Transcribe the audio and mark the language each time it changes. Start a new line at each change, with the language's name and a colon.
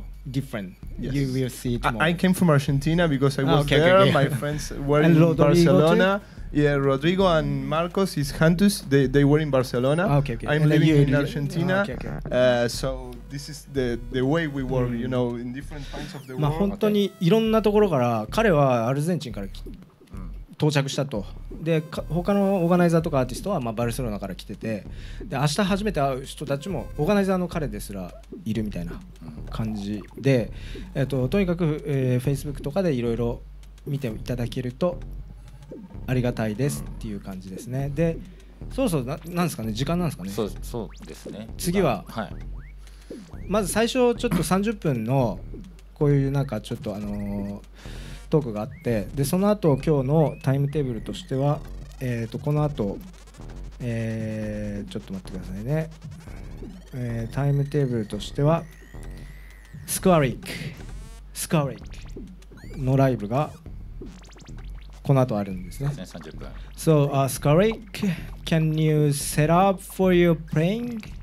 English: Different.、Yes. You will see it more. I came from Argentina because I was okay, there. Okay. My friends were in Rodrigo Barcelona.、 Too? Yeah, Rodrigo and Marcos is Hantus. They were in Barcelona. Okay. I'm、and、living in Argentina. So this is the way we work,、you know, in different parts of the world.
Japanese: まあ本当にいろんなところから、彼はアルゼンチンから到着したと。で他のオーガナイザーとかアーティストはまあバルセロナから来てて、で明日初めて会う人たちもオーガナイザーの彼ですらいるみたいな感じで、とにかく、Facebook とかでいろいろ見ていただけるとありがたいですっていう感じですね。でそろそろ何ですかね、時間なんですかね。そうですね。次は、はい、まず最初ちょっと30分のこういうなんかちょっとトークがあって、でその後今日のタイムテーブルとしては、この後、ちょっと待ってくださいね、タイムテーブルとしてはスクワリックのライブがこの後あるんですね。 30分。
English: So Squaric, can you set up for your playing?